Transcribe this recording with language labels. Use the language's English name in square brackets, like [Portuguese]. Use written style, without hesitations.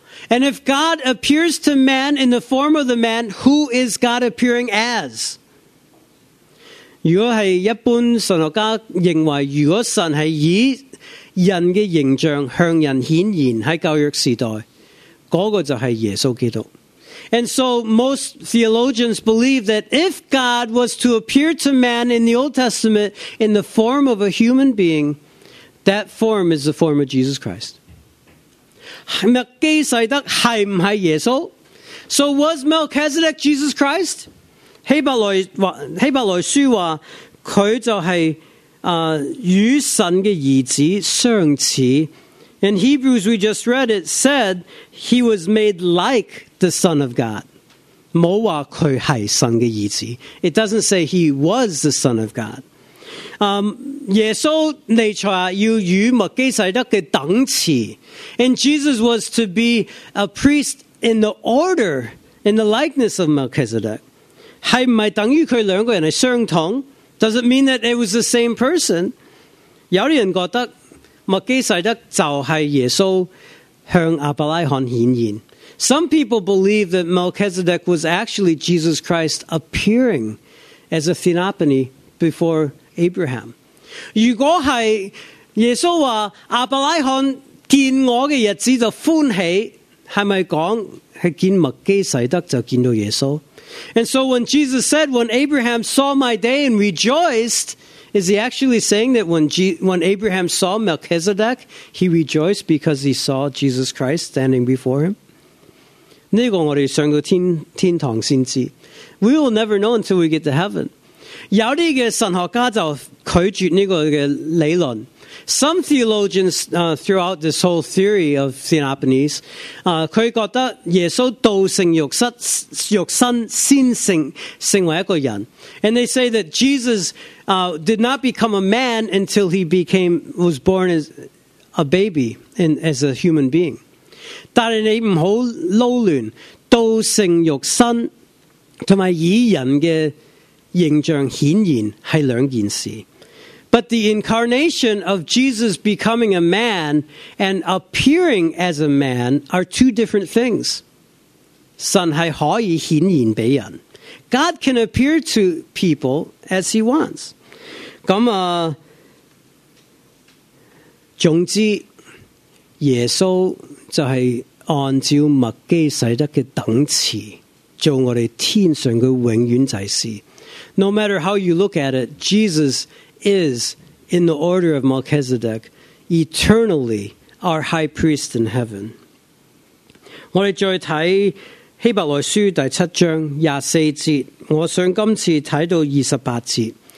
[English] And if God appears to man in the form of the man, who is God appearing as? [Chinese] 如果是一般神学家认为，如果神是以人的形象向人显现，在旧约时代，那个就是耶稣基督。 [English] And so most theologians believe that if God was to appear to man in the Old Testament in the form of a human being, that form is the form of Jesus Christ. [Chinese] 麦基洗德是不是耶稣？ [English] So was Melchizedek Jesus Christ? [Chinese] 希伯来书说他就是与神的儿子相似。 [English] In Hebrews we just read, it said he was made like the Son of God. [Chinese] 没说他是神的儿子。 [English] It doesn't say he was the Son of God. [Chinese] 耶稣尼采要与麦基洗德的等次。 [English] And Jesus was to be a priest in the order, in the likeness of Melchizedek. [Chinese] 是不是等于他两个人是相同？ [English] Does it mean that it was the same person? [Chinese] 有些人觉得麦基洗德就是耶稣向亚伯拉罕显现。 [English] Some people believe that Melchizedek was actually Jesus Christ appearing as a theophany before Abraham. [Chinese] 如果是耶稣说亚伯拉罕见我的日子就欢喜，是不是说是见麦基洗德就见到耶稣？ [English] And so when Jesus said, when Abraham saw my day and rejoiced, is he actually saying that when Abraham saw Melchizedek, he rejoiced because he saw Jesus Christ standing before him? [Chinese] 这个我们上到 天堂才知道。 [English] We will never know until we get to heaven. [Chinese] 有些神学家就拒绝这个理论。 [English] Some theologians throughout this whole theory of theophanies, [Chinese] 他觉得耶稣道成肉身先成为一个人。 [English] And they say that Jesus did not become a man until he was born as a baby and as a human being. [Chinese] 但是你不要捞乱道成肉身和以人的形象显现是两件事。 [English] But the incarnation of Jesus becoming a man and appearing as a man are two different things. [Chinese] 神是可以显现给人。 [English] God can appear to people as he wants. [Chinese] 总之耶稣就是按照麦基洗德的等次做我们天上的永远祭司。 [English] No matter how you look at it, Jesus is in the order of Melchizedek eternally our high priest in heaven. [Chinese] 我们再看希伯来书第七章24节，我想今次看到28节。